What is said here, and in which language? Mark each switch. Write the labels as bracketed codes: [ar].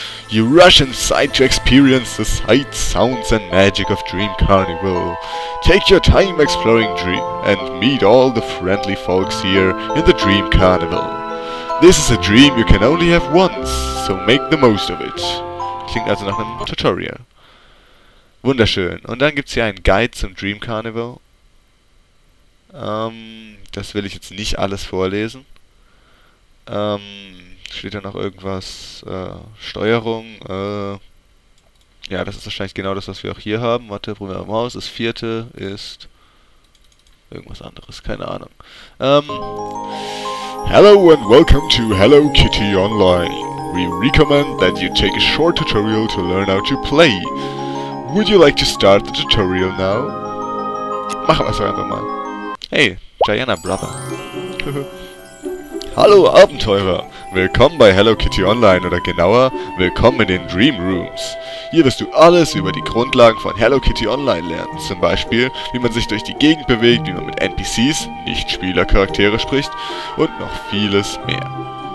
[en] You rush inside to experience the sights, sounds and magic of Dream Carnival. Take your time exploring Dream and meet all the friendly folks here in the Dream Carnival. This is a dream you can only have once, so make the most of it. [de] Klingt also nach einem Tutorial. Wunderschön. Und dann gibt's hier einen Guide zum Dream Carnival. Das will ich jetzt nicht alles vorlesen. Steht da noch irgendwas? Steuerung? Ja, das ist wahrscheinlich genau das, was wir auch hier haben. Warte, probieren wir mal aus. Das vierte ist... irgendwas anderes, keine Ahnung. [en] Hello and welcome to Hello Kitty Online. We recommend that you take a short tutorial to learn how to play. Would you like to start the tutorial now? [de] Machen wir es einfach mal. Hey, Diana Brother. Hallo Abenteurer, willkommen bei Hello Kitty Online oder genauer, willkommen in den Dream Rooms. Hier wirst du alles über die Grundlagen von Hello Kitty Online lernen. Zum Beispiel, wie man sich durch die Gegend bewegt, wie man mit NPCs, Nicht-Spieler-Charaktere spricht und noch vieles mehr.